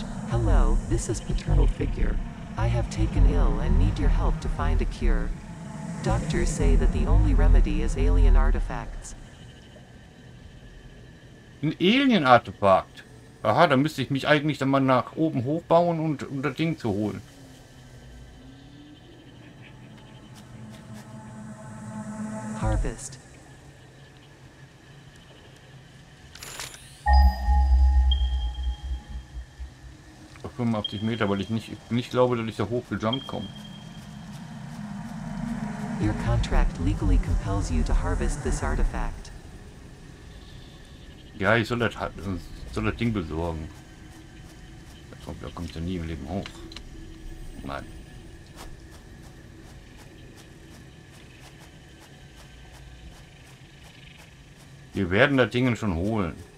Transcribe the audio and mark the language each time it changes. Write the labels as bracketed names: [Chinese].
[English] Hello, this is Paternal Figure. I have taken ill and need your help to find a cure. Doctors say that the only remedy is alien artifacts. [German] Ein Alien Artefakt? Aha, da müsste ich mich eigentlich dann mal nach oben hochbauen und um das Ding zu holen. [English] Harvest. [German] Auf 85 Meter, weil ich nicht glaube, dass ich da hoch gejumpt komme. [English] Your contract legally compels you to harvest this artifact. [German] Ja, ich soll das Ding besorgen. Da kommt ja nie im Leben hoch. Nein. Wir werden das Ding schon holen.